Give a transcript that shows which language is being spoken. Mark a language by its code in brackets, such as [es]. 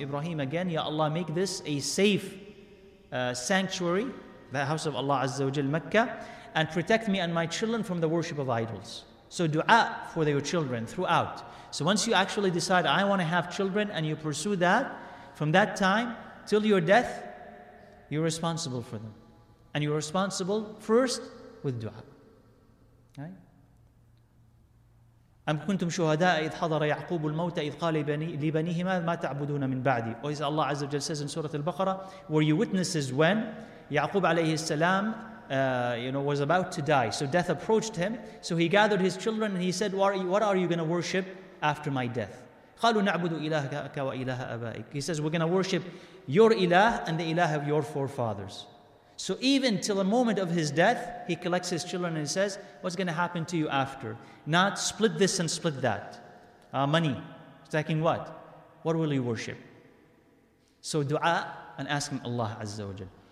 [en] Ibrahim again, Ya Allah, make this a safe sanctuary, the house of Allah Azza wa Jal, Mecca, and protect me and my children from the worship of idols. So dua for your children throughout. So once you actually decide, I want to have children, and you pursue that, from that time till your death, you're responsible for them. And you're responsible first with dua. [ar] أم كنتم شهداء إذ حضر يعقوب الموت إذ قال لبنيه ما تعبدون من بعدي. [en] Or is Allah Azza wa Jalla says in Surah Al-Baqarah, were you witnesses when Yaqub alayhi salam was about to die? So death approached him. So he gathered his children and he said, what are you going to worship after my death? [ar] قالوا نعبد إلهك وإله أبائك. [en] He says, we're going to worship your ilah and the ilah of your forefathers. So even till the moment of his death, he collects his children and says, what's going to happen to you after? Not split this and split that. Money. Taking what? What will you worship? So dua and asking Allah Azza wa Jal.